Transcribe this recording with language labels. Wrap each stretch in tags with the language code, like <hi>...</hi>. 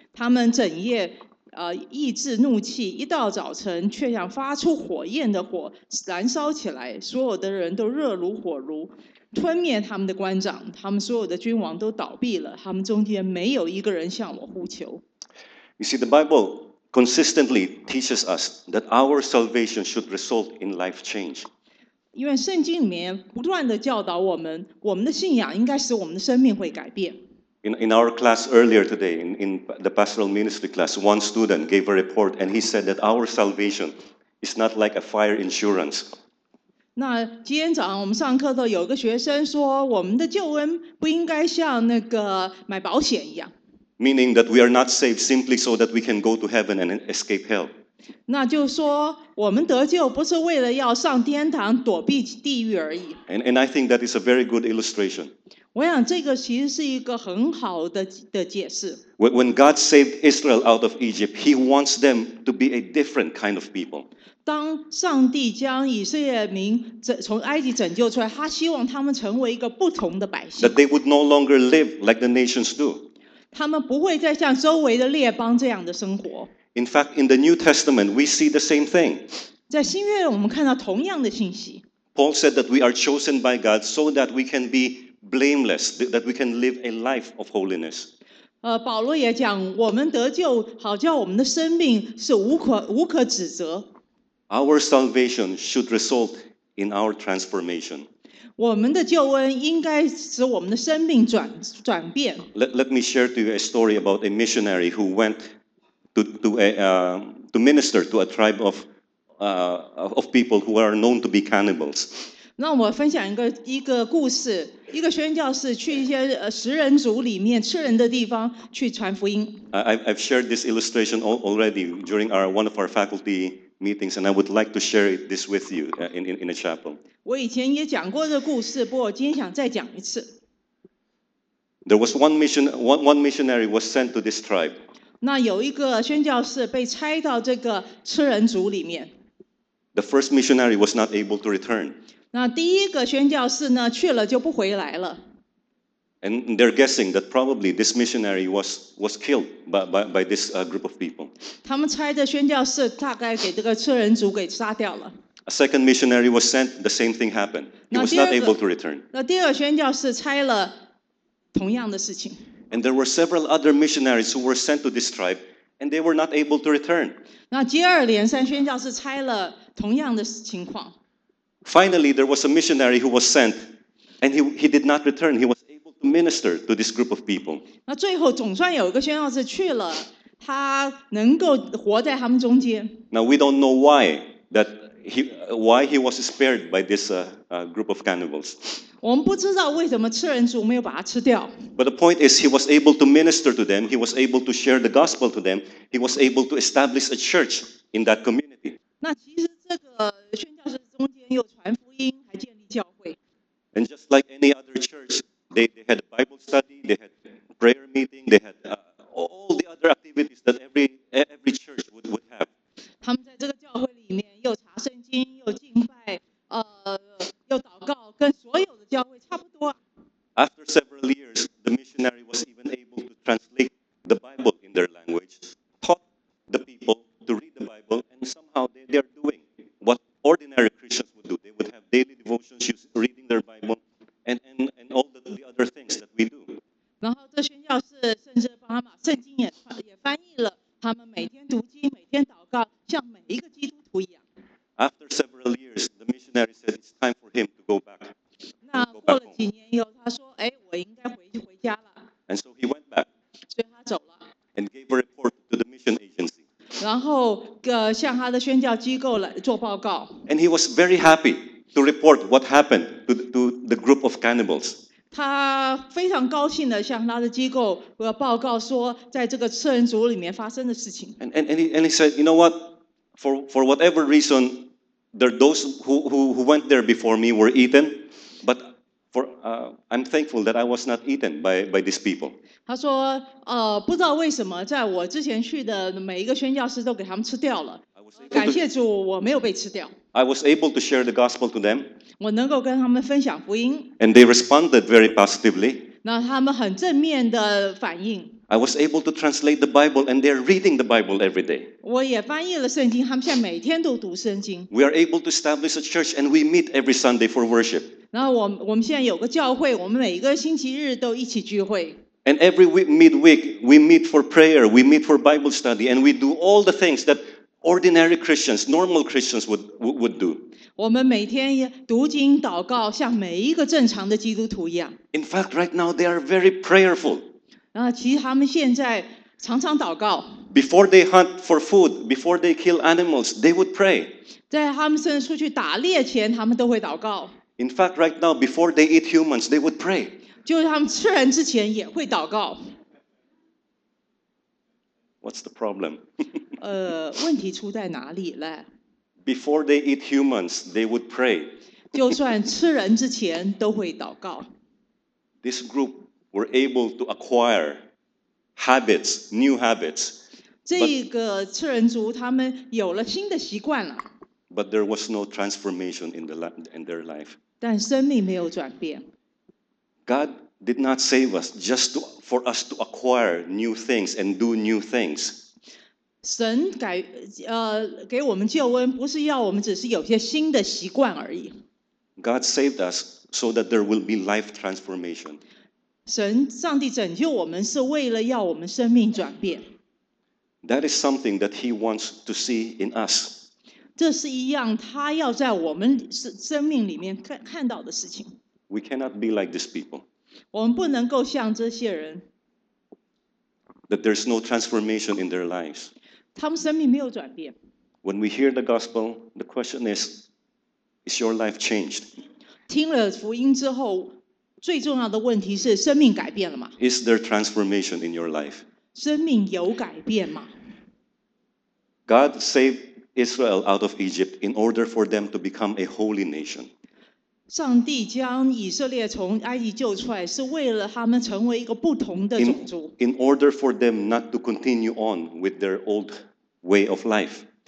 <zh>他们整夜抑制怒气，一到早晨却像发出火焰的火燃烧起来，所有的人都热如火炉，吞灭他们的官长，他们所有的君王都倒闭了，他们中间没有一个人向我呼求。</zh> <en>You see, the Bible consistently teaches us that our salvation should result in life change.</en> <zh>因为圣经里面不断地教导我们，我们的信仰应该使我们的生命会改变。</zh> <en>In our class earlier today, in the pastoral ministry class, one student gave a report, and he said that our salvation is not like a fire insurance.</en> <zh>那今天早上我们上课的有个学生说，我们的救恩不应该像那个买保险一样。</zh> <en>Meaning that we are not saved simply so that we can go to heaven and escape hell.</en> <zh>那就说，我们得救不是为了要上天堂躲避地狱而已。</zh> <en>And I think that is a very good illustration.</en> <zh>我想这个其实是一个很好的解释。</zh> <en>When God saved Israel out of Egypt, He wants them to be a different kind of people.</en> <zh>当上帝将以色列民从埃及拯救出来，他希望他们成为一个不同的百姓。</zh> <en>That they would no longer live like the nations do.</en> <zh>他们不会再像周围的列邦这样的生活。</zh> <en>In fact, in the New Testament, we see the same thing.</en> <zh>在新约我们看到同样的信息。</zh> <en>Paul said that we are chosen by God so that we can be blameless, that we can live a life of holiness.</en> <zh>保罗也讲，我们得救，好叫我们的生命是无可指责。</zh> <en>Our salvation should result in our transformation.</en> <zh>我们的救恩应该使我们的生命转变。</zh> <en>Let me share to you a story about a missionary who went to minister to a tribe of people who are known to be cannibals.</en> <zh>让我分享一个故事，一个宣教士去一些食人族里面吃人的地方去传福音。</zh> <en>I've shared this illustration already during one of our faculty. meetings, and I would like to share this with you in a chapel.</en> <zh>我以前也讲过这故事，不过我今天想再讲一次。</zh> <en>There was one mission, one missionary was sent to this tribe.</en> <zh>那有一个宣教士被差到这个吃人族里面。</zh> <en>The first missionary was not able to return.</en> <zh>那第一个宣教士呢，去了就不回来了。</zh> <en>And they're guessing that probably this missionary was killed by this group of people.</en> <zh>他们猜的宣教士大概给这个吃人族给杀掉了。</zh> <en>A second missionary was sent, the same thing happened. He was not able to return.</en> <zh>那第二宣教士猜了同样的事情。</zh> <en>And there were several other missionaries who were sent to this tribe, and they were not able to return.</en> <zh>那接二连三宣教士猜了同样的情况。</zh> <en>Finally, there was a missionary who was sent, and he did not return. He was able to minister to this group of people.</en> <zh>那最后总算有一个宣教士去了。他能够活在他们中间。</zh> <en>Now we don't know why he was spared by this group of cannibals.</en> <zh>我们不知道为什么吃人族没有把他吃掉。</zh> <en>But the point is, he was able to minister to them. He was able to share the gospel to them. He was able to establish a church in that community.</en> <zh>那其实这个宣教士中间又传福音，还建立教会。</zh> <en>And just like any other church, they had a Bible study, they had prayer meeting, they had all the other activities that every church would have.</en> <zh>他们在这个教会里面又查圣经，又敬拜，又祷告，跟所有的教会差不多。</zh> <en>After several years, the missionary was even able to translate the Bible in their language, taught the people to read the Bible, and somehow they are doing what ordinary Christians would do. They would have daily devotions, reading their Bible, and all the other things that we do.</en> <zh>然后这宣教士甚至帮他把圣经也翻译了，他们每天读经，每天祷告，像每一个基督徒一样。</zh> <en>After several years, the missionary said it's time for him to go back.</en> <zh>那过了几年以后，他说：“哎，我应该回家了。”</zh> <en>And so he went back.</en> <zh>所以他走了。</zh> <en>And gave a report to the mission agency.</en> <zh>然后向他的宣教机构来做报告。</zh> <en>And he was very happy to report what happened to the group of cannibals.</en> <zh>他非常高兴地向他的机构报告说，在这个吃人族里面发生的事情。</zh> <en>And he said, you know what? For whatever reason, those who went there before me were eaten, but I'm thankful that I was not eaten by these people.</en> <zh>他说，不知道为什么，在我之前去的每一个宣教士都给他们吃掉了。感谢主，我没有被吃掉。</zh> <en>I was able to share the gospel to them.</en> <zh>我能够跟他们分享福音。</zh> <en>And they responded very positively.</en> <zh>那他们很正面的反应。</zh> <en>I was able to translate the Bible, and they're reading the Bible every day.</en> <zh>我也翻译了圣经，他们现在每天都读圣经。</zh> <en>We are able to establish a church, and we meet every Sunday for worship.</en> <zh>那我们现在有个教会，我们每一个星期日都一起聚会。</zh> <en>And every midweek, we meet for prayer, we meet for Bible study, and we do all the things that. Ordinary Christians, normal Christians would do.</en> <zh>我们每天读经祷告，像每一个正常的基督徒一样。</zh> <en>In fact, right now they are very prayerful.</en> <zh>然后其实他们现在常常祷告。</zh> <en>Before they hunt for food, before they kill animals, they would pray.</en> <zh>在他们甚至出去打猎前，他们都会祷告。</zh> <en>In fact, right now, before they eat humans, they would pray.</en> <zh>就是他们吃人之前也会祷告。</zh> <en>What's the problem?</en> <zh>问题出在哪里呢</zh> <en>？Before they eat humans, they would pray.</en> <zh>就算吃人之前都会祷告。</zh> <en>This group were able to acquire habits, new habits.</en> <zh>这个吃人族他们有了新的习惯了。</zh> <en>But there was no transformation in their life.</en> <zh>但生命没有转变。</zh> <en>God did not save us just to, for us to acquire new things and do new things.</en> <zh>神改给我们救恩，不是要我们只是有些新的习惯而已。</zh> <en>God saved us so that there will be life transformation.</en> <zh>神上帝拯救我们是为了要我们生命转变。</zh> <en>That is something that He wants to see in us.</en> <zh>这是一样他要在我们生命里面 看到的事情。</zh> <en>We cannot be like these people.</en> <zh>我们不能够像这些人。</zh> <en>That there's no transformation in their lives.</en> <zh>他们生命没有转变。</zh> <en>When we hear the gospel, the question is your life changed?</en> <zh>听了福音之后，最重要的问题是生命改变了吗？</zh> <en>Is there transformation in your life?</en> <zh>生命有改变吗？</zh> <en>God saved Israel out of Egypt in order for them to become a holy nation.</en> <zh>上帝将以色列从埃及救出来，是为了他们成为一个不同的种族。</zh> <en>In order for them not to continue on with their old way of life.</en>